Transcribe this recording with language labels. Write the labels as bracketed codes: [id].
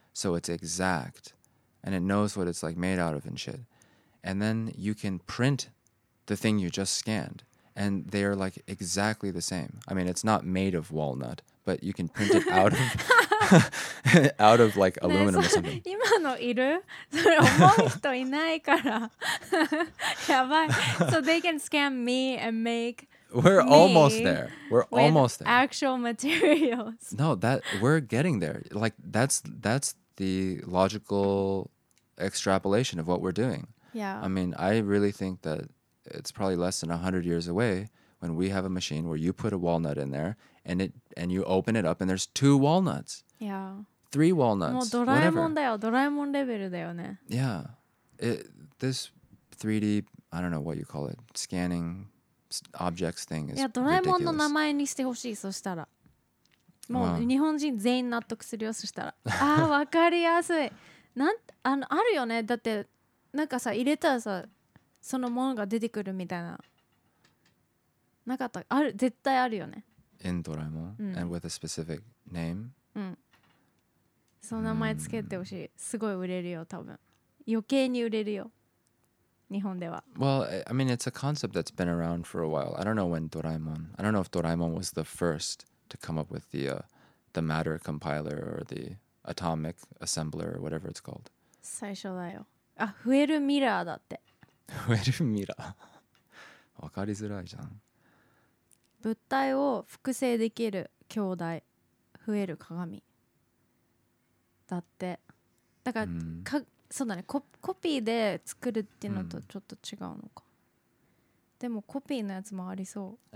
[en] So it's exact. And it knows what it's like made out of and shit. And then you can print the thing you just scanned. And they are like exactly the same. I mean, it's not made of walnut, but you can print it out of out of like aluminum or something. [ja] 今のいる？それ重い人いないから。やばい。 [en] So they can scan me and make We're me almost there. We're with almost there. Actual materials. No, that we're getting there. Like that's the logical extrapolation of what we're doing. Yeah. I mean, I really think that it's probably less than 100 years away when we have a machine where you put a walnut in there and you open it up and there's two walnuts. Yeah. three walnuts. [ja] もうドラえもんだよ。ドラえもんレベルだよね。 [en] Yeah. This 3D, I don't know what you call it, scanning objects thing is ridiculous. [ja] いや、ドラえもんの名前にしてほしい、そしたら。もう日本人全員納得するよ、そしたら。ああ、わかりやすい。なん、あの、あるよね。だって、なんかさ、入れたらさ、そのものが出てくるみたいな。なかった。ある、絶対あるよね。 [en] In ドラえもん、うん、and with a specific name? [ja] うん。その名前つけてほしい。すごい売れるよ、多分。余計に売れるよ。日本では。 [en] Well, I mean, it's a concept that's been around for a while. I don't know when Doraemon... I don't know if Doraemon was the first to come up with the matter compiler or the atomic assembler or whatever it's called. [ja] 最初だよ。あ、増えるミラーだって。増えるミラー。わかりづらいじゃん。物体を複製できる兄弟。増える鏡。だって。だから、か、そうだね、コピーで作るっていうのとちょっと違うのか、うん、でもコピーのやつもありそう。